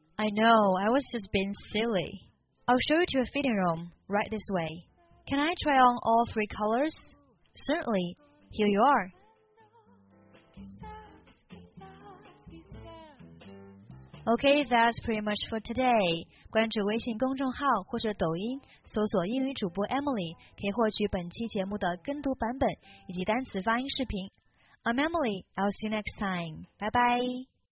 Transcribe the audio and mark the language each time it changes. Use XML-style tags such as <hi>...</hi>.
<en>I know, I was just being silly. I'll show you to a fitting room, right this way. Can I try on all three colors? Certainly, here you are. Okay, that's pretty much for today.</en> <zh>关注微信公众号或者抖音，搜索英语主播 Emily, 可以获取本期节目的跟读版本以及单词发音视频。</zh> <en>I'm Emily, I'll see you next time. Bye bye.</en>